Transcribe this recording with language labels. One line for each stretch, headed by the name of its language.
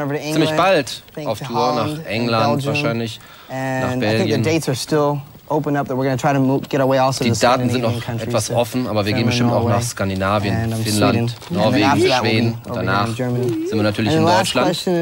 English: over to England,
German: ziemlich bald auf Tour Holland, nach England, wahrscheinlich nach Belgien.
English: And I think the dates are still open up that we're going to try to get away also
German: die Daten sind noch etwas offen, aber wir gehen bestimmt auch nach Skandinavien, Finnland, Norwegen, Schweden und danach sind wir natürlich in Deutschland.